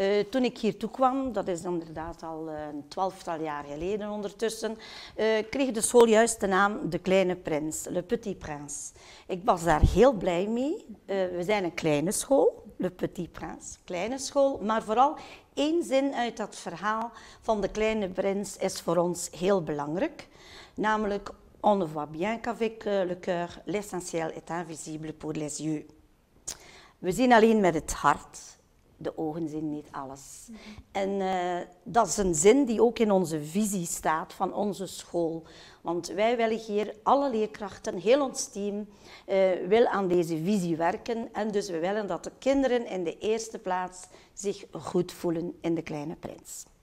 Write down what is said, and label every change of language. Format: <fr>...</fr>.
<nl>Toen ik hier toekwam, dat is inderdaad al een 12-tal jaar geleden ondertussen, kreeg de school juist de naam De Kleine Prins, Le Petit Prince. Ik was daar heel blij mee. We zijn een kleine school, Le Petit Prince, kleine school, maar vooral... Eén zin uit dat verhaal van de kleine prins is voor ons heel belangrijk. Namelijk,</nl> <fr>on ne voit bien qu'avec le cœur, l'essentiel est invisible pour les yeux.</fr> <nl>We zien alleen met het hart, de ogen zien niet alles. Mm-hmm. En dat is een zin die ook in onze visie staat van onze school. Want wij willen hier, alle leerkrachten, heel ons team, wil aan deze visie werken. En dus we willen dat de kinderen in de eerste plaats zich goed voelen in de kleine prins.</nl>